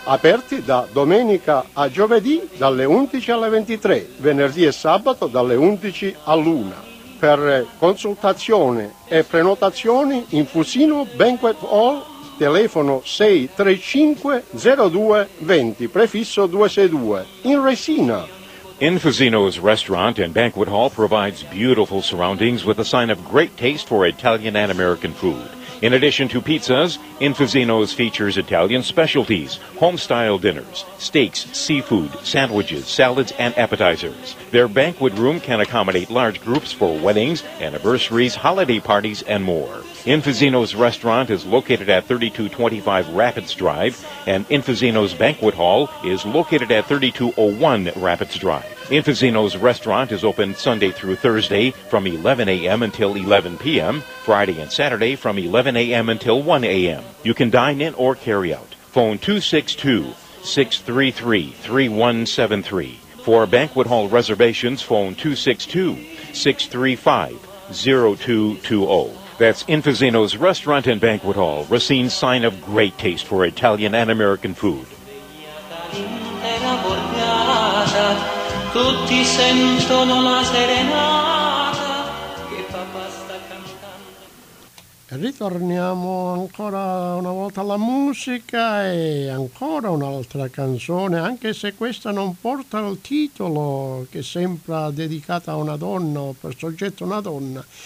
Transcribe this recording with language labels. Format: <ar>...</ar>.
<it>Aperti da domenica a giovedì dalle 11 alle 23, venerdì e sabato dalle 11 all'1. Per consultazione e prenotazioni, Infusino Banquet Hall, telefono 635-0220, prefisso 262, in Resina.</it> <en>Infusino's restaurant and banquet hall provides beautiful surroundings with a sign of great taste for Italian and American food. In addition to pizzas, Infusino's features Italian specialties, home-style dinners, steaks, seafood, sandwiches, salads, and appetizers. Their banquet room can accommodate large groups for weddings, anniversaries, holiday parties, and more. Infusino's restaurant is located at 3225 Rapids Drive, and Infusino's banquet hall is located at 3201 Rapids Drive. Infusino's restaurant is open Sunday through Thursday from 11 a.m. until 11 p.m., Friday and Saturday from 11 a.m. until 1 a.m. You can dine in or carry out. Phone 262-633-3173. For banquet hall reservations, phone 262-635-0220. That's Infusino's restaurant and banquet hall, Racine's sign of great taste for Italian and American food.</en> <it>Tutti sentono la serenata che papà sta cantando. Ritorniamo ancora una volta alla musica e ancora un'altra canzone, anche se questa non porta il titolo che sembra dedicata a una donna o per soggetto una donna.</it>